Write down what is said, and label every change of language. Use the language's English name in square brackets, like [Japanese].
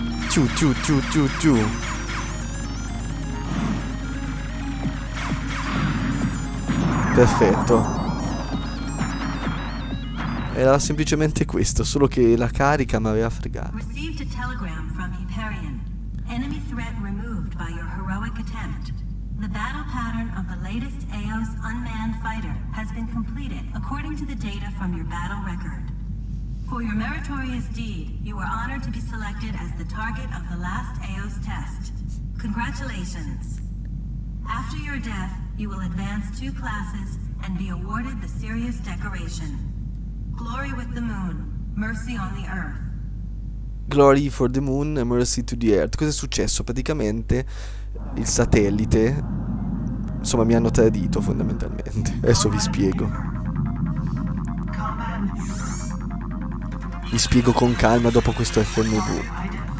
[Italian] Tiu, tiu, tiu, tiu, tiu. Perfetto. Era semplicemente questo, solo che la carica mi aveva fregato. [English] Received a telegram from Hyperion. Enemy threat removed by your heroic attempt. The battle pattern of the latest AOS unmanned fighter has been completed according to the data from your battle record. For your meritorious deed, you were honored to be selected as the target of the last AOS test. Congratulations. After your death, you will advance two classes and be awarded the Sirius decoration. Glory with the moon, mercy on the earth. Glory for the moon, mercy to the earth. [Italian] Cos'è successo? Praticamente il satellite. Insomma, mi hanno tradito fondamentalmente. Adesso vi spiego. Vi spiego con calma dopo questo FMV.